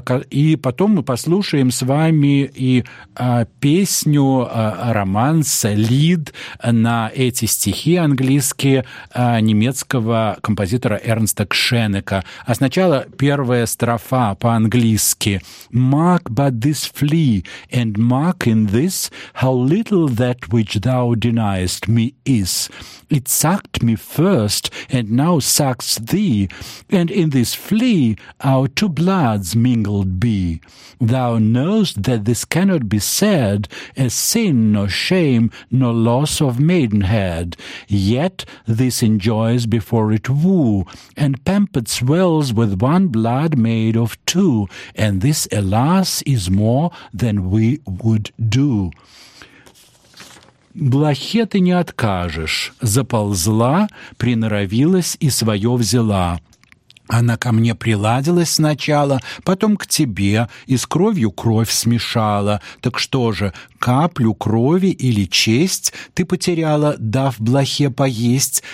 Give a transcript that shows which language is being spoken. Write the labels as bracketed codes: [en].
[ru] И потом мы послушаем с вами и песню, романс, лид на эти стихи английские немецкого композитора Эрнста Кшенека. А сначала первая строфа по-английски. [en] «Mark by this flea, and mark in this, how little that which thou deniest me is. It sucked me first, and now sucks thee, and in this flea our two bloods mingled be. Thou knowest that this cannot be said, a sin, nor shame, nor loss of maidenhead. Yet this enjoys before it woo, and pampered swells with one blood made of two, and this, alas, is more than we would do». [ru] «Блохе ты не откажешь, заползла, приноровилась и свое взяла. Она ко мне приладилась сначала, потом к тебе, и с кровью кровь смешала. Так что же, каплю крови или честь ты потеряла, дав блохе поесть?